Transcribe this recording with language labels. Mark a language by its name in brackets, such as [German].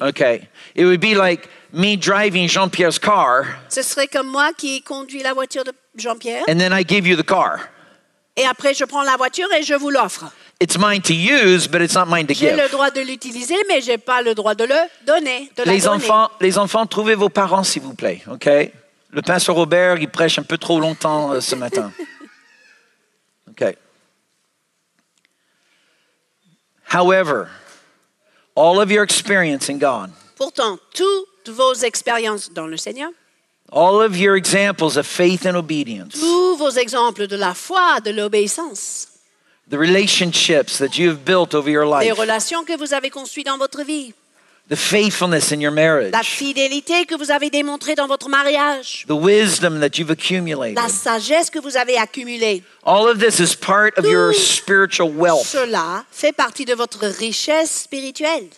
[English] Okay, it would be like me driving Jean-Pierre's car. [French] Ce serait comme moi qui conduis la voiture de Jean-Pierre. [English] And then I give you the car. [French] Et après, je prends la voiture et je vous l'offre. [English] It's mine to use, but it's not mine to [French] j'ai [English] give. [French] Le droit de l'utiliser, mais j'ai pas le droit de le donner, de les la enfants, donner. Les enfants, trouvez vos parents, s'il vous plaît. Okay? Le pasteur Robert, il prêche un peu trop longtemps ce matin. Okay. [English] However, all of your experience in God. [French] Pourtant, tout vos expériences dans le Seigneur. [English] All of your examples of faith and obedience. [French] Tous vos exemples de la foi, de l'obéissance. [English] The relationships that you have built over your life. [French] Les relations que vous avez construites dans votre vie. [English] The faithfulness in your marriage. [French] La fidélité que vous avez démontrée dans votre mariage. [English] The wisdom that you've accumulated. [French] La sagesse que vous avez accumulée. [English] All of this is part [French] Tout [English] of your spiritual wealth. [French] Cela fait partie de votre richesse spirituelle.